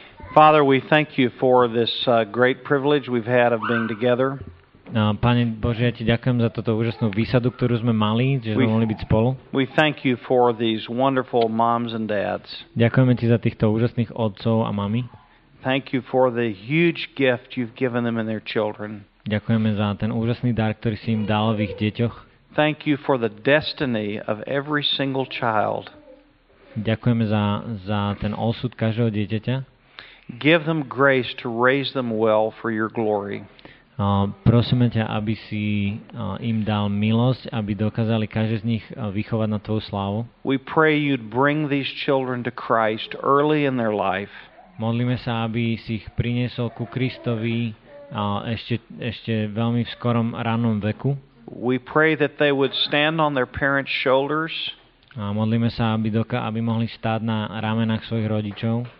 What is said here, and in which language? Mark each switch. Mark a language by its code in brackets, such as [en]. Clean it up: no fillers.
[en] Father, we thank you for this great privilege we've had of being together. [sk] Pane Bože, ja ti ďakujem za túto úžasnú výsadu, ktorú sme mali, že sme mohli byť spolu. [en] We thank you for these wonderful moms and dads. [sk] Ďakujeme ti za týchto úžasných otcov a mami. [en] Thank you for the huge gift you've given them and their children. [sk] Ďakujeme za ten úžasný dar, ktorý si im dal v ich deťoch. [en] Thank you for the destiny of every single child. [sk] Ďakujeme za ten osud každého dieťaťa. [en] Give them grace to raise them well for your glory. [sk] Prosíme ťa, aby si im dal milosť, aby dokázali každý z nich vychovať na tvoju slávu. [en] We pray you'd bring these children to Christ early in their life. [sk] Modlíme sa, aby si ich priniesol ku Kristovi ešte veľmi v skorom ranom veku. [en] We pray that they would stand on their parents' shoulders. [sk] A modlíme sa, aby mohli stáť na ramenách svojich rodičov.